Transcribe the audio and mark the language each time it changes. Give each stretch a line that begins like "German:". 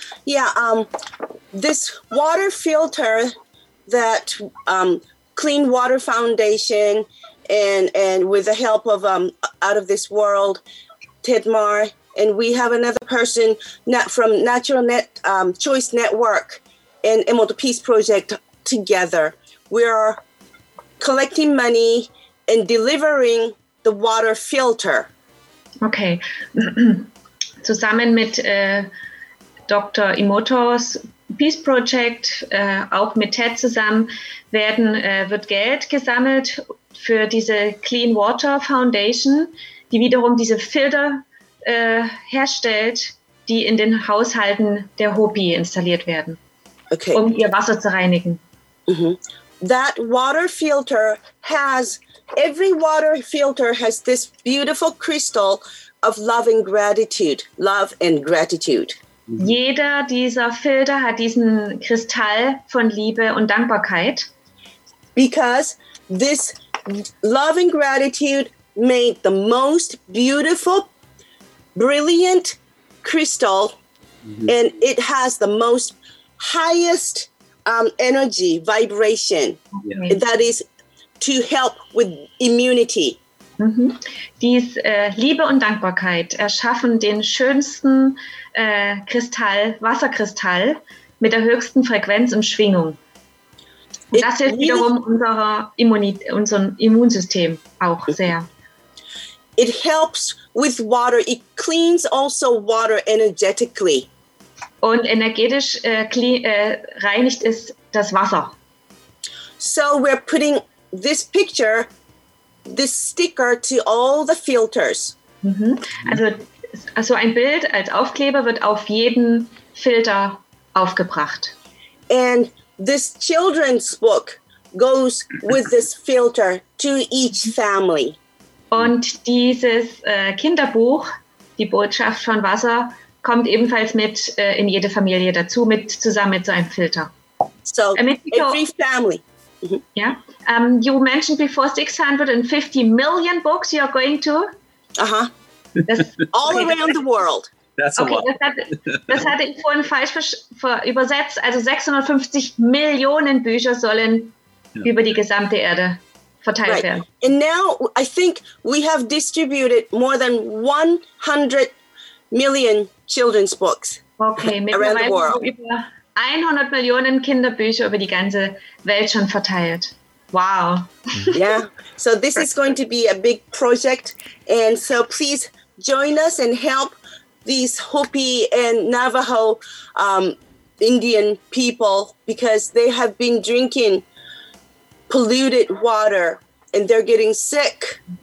English: Yeah, this water filter that Clean Water Foundation and with the help of Out of This World, Tidmar, and we have another person from Natural Net Choice Network and Emoto Peace Project together. We are collecting money and delivering the water filter.
German: Okay. Zusammen mit Dr. Emotos Peace Project, auch mit Ted zusammen, wird Geld gesammelt für diese Clean Water Foundation, die wiederum diese Filter herstellt, die in den Haushalten der Hopi installiert werden, okay, um ihr Wasser zu reinigen.
English: Mm-hmm. That water filter has... Every water filter has this beautiful crystal of love and gratitude. Love and gratitude.
German: Jeder dieser Filter hat diesen Kristall von Liebe und Dankbarkeit.
English: Because this love and gratitude made the most beautiful, brilliant crystal. Mm-hmm. And it has the most highest energy, vibration. Yeah. That is to help with immunity. Mhm.
German: Dies Liebe und Dankbarkeit erschaffen den schönsten Kristall, Wasserkristall mit der höchsten Frequenz und Schwingung. Und das hilft wiederum unserem Immunsystem auch sehr.
English: It helps with water. It cleans also water energetically.
German: Und energetisch reinigt es das Wasser.
English: So we're putting this picture, this sticker to all the filters. Mm-hmm.
German: Also ein Bild als Aufkleber wird auf jeden Filter aufgebracht.
English: And this children's book goes with this filter to each family.
German: Und dieses Kinderbuch, die Botschaft von Wasser, kommt ebenfalls mit in jede Familie dazu, zusammen mit so einem Filter.
English: So, every family. Mm-hmm. Yeah. You mentioned before 650 million books you're going to. Uh-huh. All around the world. That's okay, a lot.
German: Das hatte ich vorhin falsch übersetzt. Also 650 Millionen Bücher sollen über die gesamte Erde verteilt
English: right.
German: werden.
English: And now I think we have distributed more than 100 million children's books around the world.
German: Okay, mittlerweile über 100 Millionen Kinderbücher über die ganze Welt schon verteilt. Wow.
English: Yeah. So this is going to be a big project. And so please join us and help these Hopi and Navajo Indian people, because they have been drinking polluted water and they're getting sick.